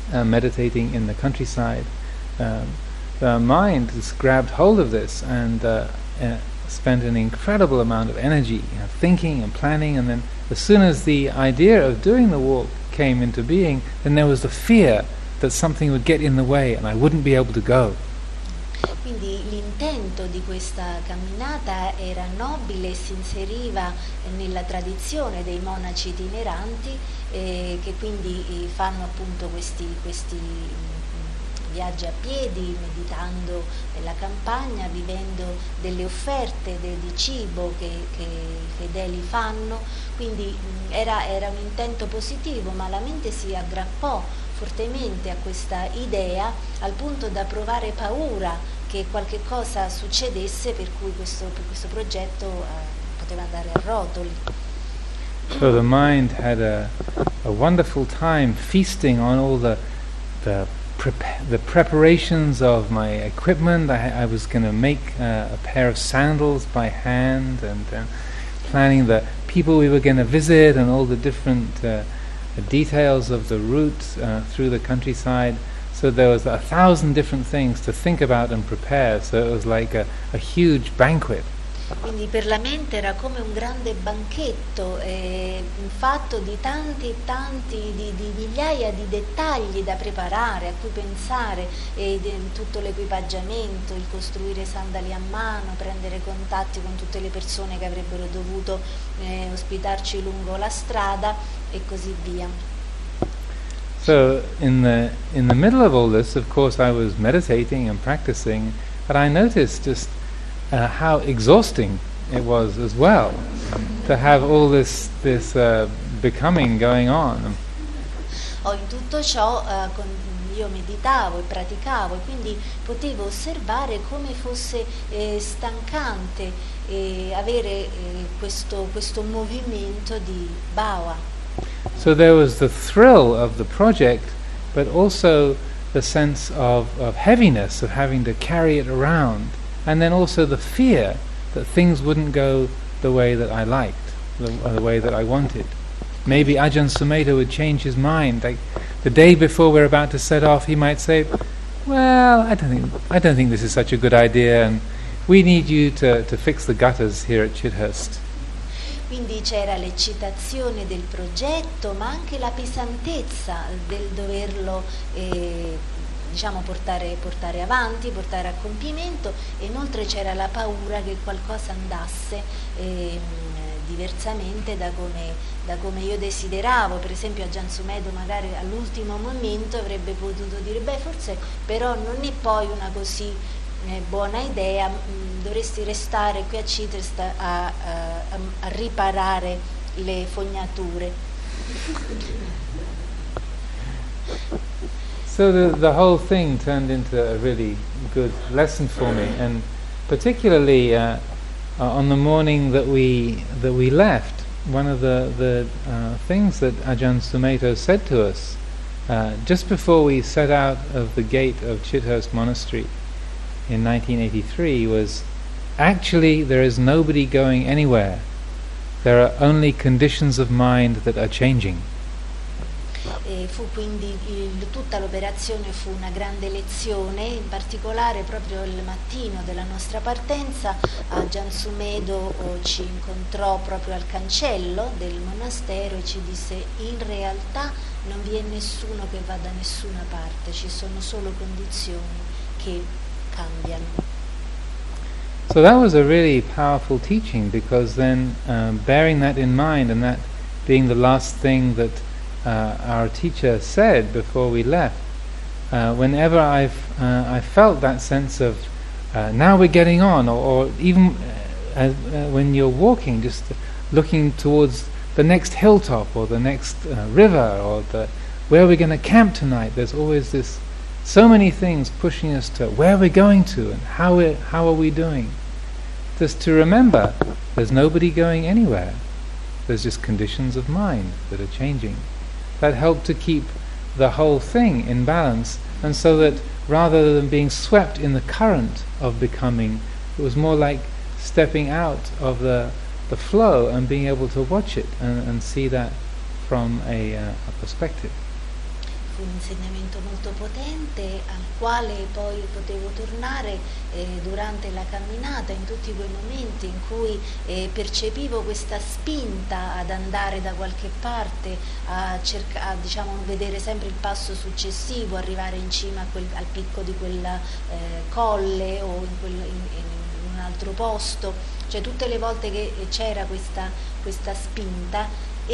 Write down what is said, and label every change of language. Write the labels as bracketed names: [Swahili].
[English] meditating in the countryside, the mind just grabbed hold of this and spent an incredible amount of energy, thinking and planning, and then as soon as the idea of doing the walk came into being, then there was the fear that something would get in the way and I wouldn't be able to go. [Italian] Quindi l'intento di questa camminata era nobile, si inseriva nella tradizione dei monaci itineranti che quindi fanno appunto questi viaggi a piedi, meditando nella campagna, vivendo delle offerte di cibo che i fedeli fanno. Quindi era un intento positivo, ma la mente si aggrappò fortemente a questa idea, al punto da provare paura che qualche cosa succedesse, per cui questo progetto poteva andare a rotoli. [English] So the mind had a wonderful time feasting on all the the preparations of my equipment. I was going to make a pair of sandals by hand, and then planning the people we were going to visit and all the different details of the route through the countryside. So there was 1,000 different things to think about and prepare. So it was like a huge banquet. [Italian] Quindi per la mente era come un grande banchetto, fatto di tanti e tanti, di migliaia di dettagli da preparare, a cui pensare, tutto l'equipaggiamento, il costruire sandali a mano, prendere contatti con tutte le persone che avrebbero dovuto ospitarci lungo la strada e così via. [English] So in the middle of all this, of course, I was meditating and practicing, but I noticed just how exhausting it was as well to have all this becoming going on. [Italian] In tutto ciò io meditavo e praticavo, e quindi potevo osservare come fosse stancante avere questo movimento di bawa. [English] So there was the thrill of the project, but also the sense of heaviness of having to carry it around. And then also the fear that things wouldn't go the way that I liked, the way that I wanted. Maybe Ajahn Sumedho would change his mind. Like the day before we're about to set off, he might say, "Well, I don't think this is such a good idea, and we need you to fix the gutters here at Chidhurst." [Italian] Quindi c'era l'eccitazione del progetto, ma anche la pesantezza del doverlo diciamo portare avanti, portare a compimento, e inoltre c'era la paura che qualcosa andasse diversamente da come io desideravo. Per esempio a Ajahn Sumedho magari all'ultimo momento avrebbe potuto dire: "Beh, forse però non è poi una così buona idea, dovresti restare qui a Chidhurst a riparare le fognature." [English] So the whole thing turned into a really good lesson for me, and particularly on the morning that we left, one of the things that Ajahn Sumedho said to us just before we set out of the gate of Chidhurst Monastery in 1983 was, "Actually, there is nobody going anywhere. There are only conditions of mind that are changing." [Italian] E fu quindi tutta l'operazione fu una grande lezione. In particolare, proprio il mattino della nostra partenza, Ajahn Sumedho ci incontrò proprio al cancello del monastero e ci disse: "In realtà non vi è nessuno che va da nessuna parte, ci sono solo condizioni che cambiano." [English] So that was a really powerful teaching, because then bearing that in mind, and that being the last thing that our teacher said before we left, whenever I've felt that sense of now we're getting on, or even when you're walking, just looking towards the next hilltop or the next river or where we're going to camp tonight, there's always this, so many things pushing us to where we're going to and how are we doing. Just to remember, there's nobody going anywhere, there's just conditions of mind that are changing. That helped to keep the whole thing in balance, and so that rather than being swept in the current of becoming, it was more like stepping out of the flow and being able to watch it and see that from a perspective. [Italian] Fu un insegnamento molto potente al quale poi potevo tornare durante la camminata, in tutti quei momenti in cui percepivo questa spinta ad andare da qualche parte, a vedere sempre il passo successivo, arrivare in cima al picco di quella colle o in un altro posto, cioè tutte le volte che c'era questa spinta.